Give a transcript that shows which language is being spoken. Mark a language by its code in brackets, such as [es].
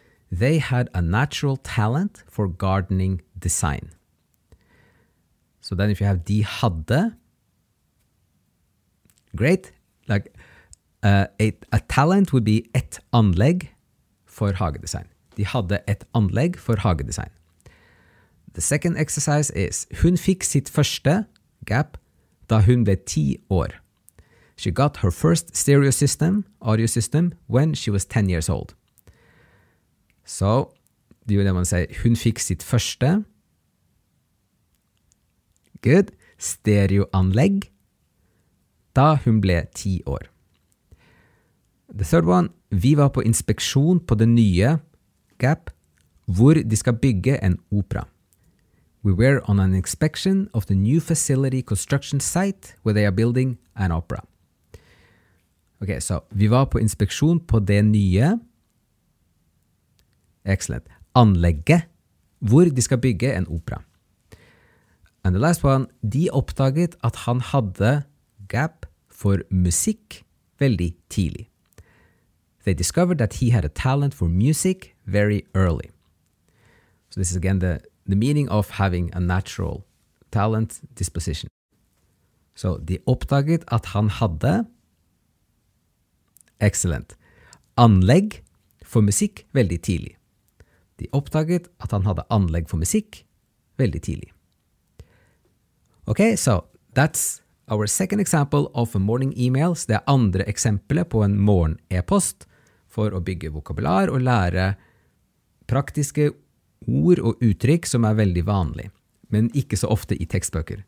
[en] They had a natural talent for gardening design. So then if you have [no] de hadde, [en] great. Like a talent would be [no] et anlegg for hage design. De hadde et anlegg for hage design. [en] The second exercise is [no] hun fikk sitt første gap da hun ble 10 år. [en] She got her first stereo system, audio system, when she was 10 years old. So, do you want to say [no] hun fikk sitt første? [en] Good. [no] Stereoanlegg da hun ble 10 år. [en] The third one, [no] vi var på inspeksjon på det nye gap, hvor de skal bygge en opera. [en] We were on an inspection of the new facility construction site where they are building an opera. Okay, so [no] vi var på inspeksjon på det nye. [en] Excellent. [no] Anlegget, hvor de skal bygge en opera. [en] And the last one, [no] de oppdaget at han hadde gap for musikk veldig tidlig. [en] They discovered that he had a talent for music very early. So this is again the meaning of having a natural talent disposition. [no] So de oppdaget at han hadde. [en] Excellent. [no] Anlegg for musikk veldig tidlig. De oppdaget at han hadde anlegg for musikk veldig tidlig. [en] Okay, so that's our second example of a morning email. [no] Det er andre eksempelet på en morgen e-post for å bygge vokabular og lære praktiske ord og uttrykk som er veldig vanlige, men ikke så ofte i tekstbøker.